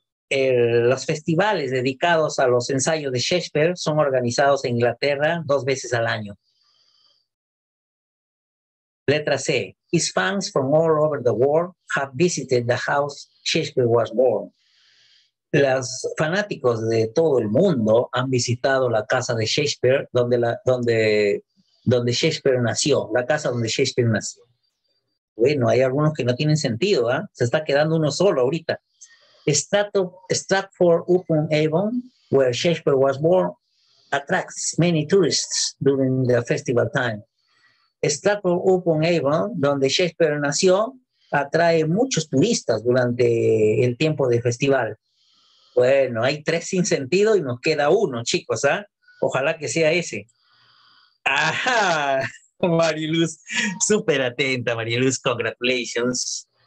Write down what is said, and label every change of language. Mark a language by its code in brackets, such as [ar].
[es] Los festivales dedicados a los ensayos de Shakespeare son organizados en Inglaterra 2 veces al año. Letra C. [en] His fans from all over the world have visited the house Shakespeare was born. [es] Los fanáticos de todo el mundo han visitado la casa de Shakespeare, donde Shakespeare nació, la casa donde Shakespeare nació. Bueno, hay algunos que no tienen sentido, ¿eh? Se está quedando uno solo ahorita. [en] Stratford-upon-Avon, where Shakespeare was born, attracts many tourists during the festival time. [es] Stratford-upon-Avon, donde Shakespeare nació, atrae muchos turistas durante el tiempo del festival. Bueno, hay 3 sin sentido y nos queda uno, chicos, ¿ah? ¿Eh? Ojalá que sea ese. ¡Ajá! Mariluz, súper atenta, Mariluz, congratulations.